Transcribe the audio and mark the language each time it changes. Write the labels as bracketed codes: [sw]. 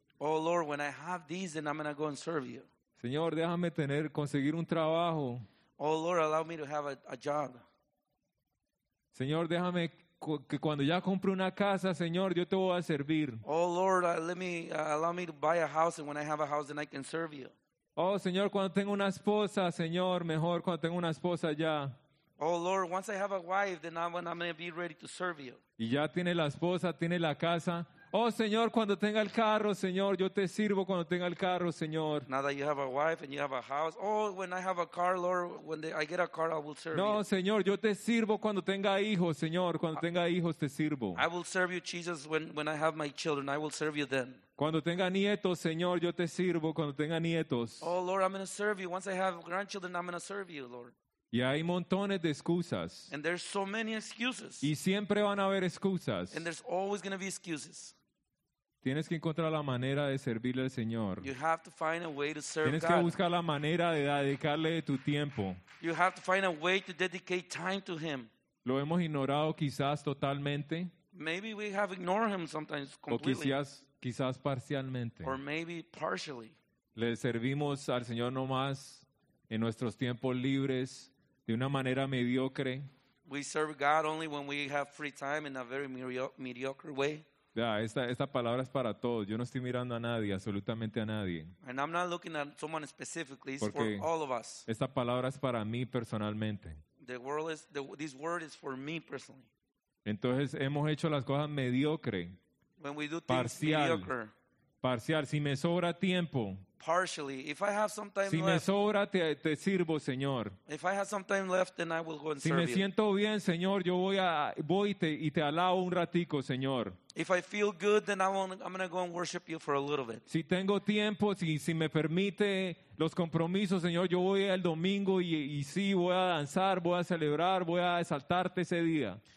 [en] Oh Lord, when I have these, then I'm going to go and serve you. [es] Señor, déjame conseguir un trabajo. [en] Oh Lord, allow me to have a job. [es] Señor, déjame que cuando ya compre una casa, Señor, yo te voy a servir. [en] Oh Lord, allow me to buy a house, and when I have a house, then I can serve you. [es] Oh Señor, cuando tengo una esposa, Señor, mejor cuando tengo una esposa ya. [en] Oh Lord, once I have a wife, then I'm going to be ready to serve you. [es] Y ya tiene la esposa, tiene la casa. Oh Señor, cuando tenga el carro, Señor, yo te sirvo cuando tenga el carro, Señor. [en] Now that you have a wife and you have a house. Oh, when I have a car, Lord, when I get a car, I will serve [es] no, [en] you. [es] No, Señor, yo te sirvo cuando tenga hijos, Señor, cuando tenga hijos te sirvo. [en] I will serve you, Jesus, when I have my children, I will serve you then. [es] Cuando tenga nietos, Señor, yo te sirvo cuando tenga nietos. [en] Oh Lord, I'm going to serve you. Once I have grandchildren, I'm going to serve you, Lord. [es] Y hay montones de excusas. [en] And there's so many excuses. [es] Y siempre van a haber excusas. [en] And there's always going to be excuses. [es] Tienes que encontrar la manera de servirle al Señor. [en] You have to find a way to serve [es] Tienes [en] God. [es] Que buscar la manera de dedicarle tu tiempo. [en] You have to find a way to dedicate time to him. [es] Lo hemos ignorado quizás totalmente. [en] Maybe we have ignored him sometimes completely. [es] O quizás parcialmente. [en] Or maybe partially. [es] Le servimos al Señor nomás en nuestros tiempos libres de una manera mediocre. [en] We serve God only when we have free time in a very mediocre way. [es] Ya, esta palabra es para todos. Yo no estoy mirando a nadie, absolutamente a nadie. [en] And I'm not looking at someone specifically. It's for all of us. [es] Esta palabra es para mí personalmente. [en] This word is for me personally. [es] Entonces hemos hecho las cosas mediocre. [en] When we do things mediocre. [es] Parcial. Si me sobra tiempo. [en] Partially. If I have some time [es] si [en] left. [es] Si me sobra, te sirvo, Señor. [en] If I have some time left, then I will go and [es] si [en] serve [es] Si me siento [en] you. [es] Bien, Señor, yo voy y te alabo un ratico, Señor. [en] If I feel good, then I'm going to go and worship you for a little bit. [es] Si tengo tiempo, si me permite los compromisos, Señor, yo voy el domingo y sí, voy a danzar, voy a celebrar, voy a exaltarte ese día.